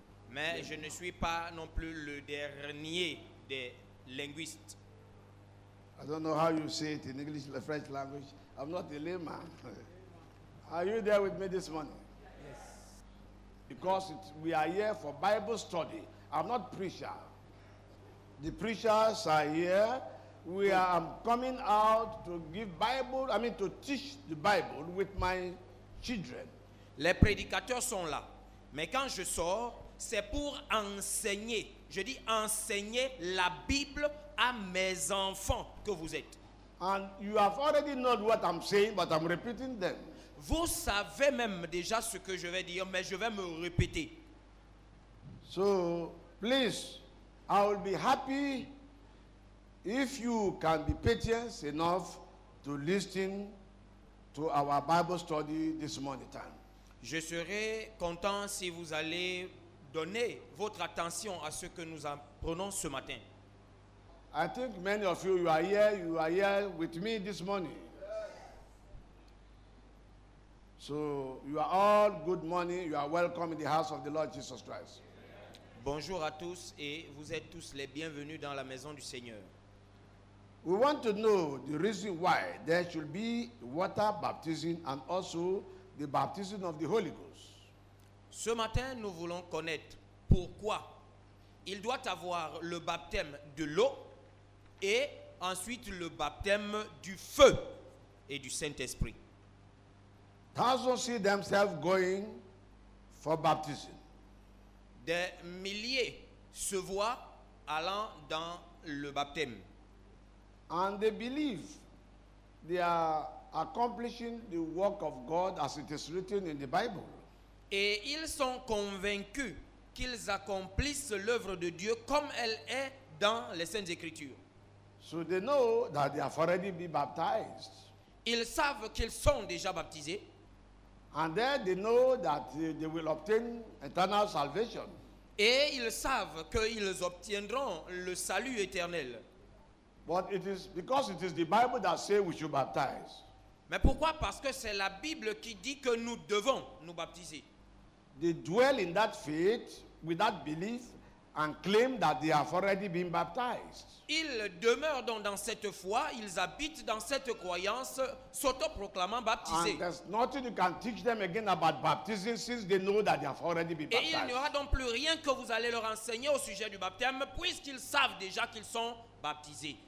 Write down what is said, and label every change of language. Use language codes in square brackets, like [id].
[fr] Mais je ne suis pas non plus le dernier des linguistes. [en] I don't know how you say it in English, the French language. I'm not a layman. Are you there with me this morning? Yes. Because we are here for Bible study. I'm not preacher. The preachers are here. I'm coming out to give Bible, to teach the Bible with my children. [fr] Les prédicateurs sont là, mais quand je sors, c'est pour enseigner. Je dis enseigner la Bible à mes enfants que vous êtes. [en] And you have already known what I'm saying, but I'm repeating them. [fr] Vous savez même déjà ce que je vais dire, mais je vais me répéter. [en] So, please, I will be happy if you can be patient enough to listen to our Bible study this morning time. [fr] Je serai content si vous allez donner votre attention à ce que nous apprenons ce matin. [en] I think many of you are here. You are here with me this morning. So you are all good morning. You are welcome in the house of the Lord Jesus Christ. [fr] Bonjour à tous et vous êtes tous les bienvenus dans la maison du Seigneur. [en] We want to know the reason why there should be water baptism and also the baptism of the Holy Ghost. [fr] Ce matin, nous voulons connaître pourquoi il doit avoir le baptême de l'eau et ensuite le baptême du feu et du Saint-Esprit. [en] Thousands see themselves going for baptism. [fr] Des milliers se voient allant dans le baptême. [en] And they believe they are accomplishing the work of God as it is written in the Bible. [fr] Et ils sont convaincus qu'ils accomplissent l'œuvre de Dieu comme elle est dans les Saintes Écritures. [en] So they know that they have already been baptized. [fr] Ils savent qu'ils sont déjà baptisés. [en] And then they know that they will obtain eternal salvation. [fr] Et ils savent qu'ils obtiendront le salut éternel. [en] But it is because it is the Bible that says we should baptize. [fr] Mais pourquoi? Parce que c'est la Bible qui dit que nous devons nous baptiser. [en] They dwell in that faith with that belief and claim that they have already been baptized. [fr] Ils demeurent donc dans cette foi, ils habitent dans cette croyance, s'auto-proclamant baptisés. [en] And there's nothing you can teach them again about baptism since they know that they have already been baptized. [fr] Et il n'y aura donc plus rien que vous allez leur enseigner au sujet du baptême puisqu'ils savent déjà qu'ils sont baptisés.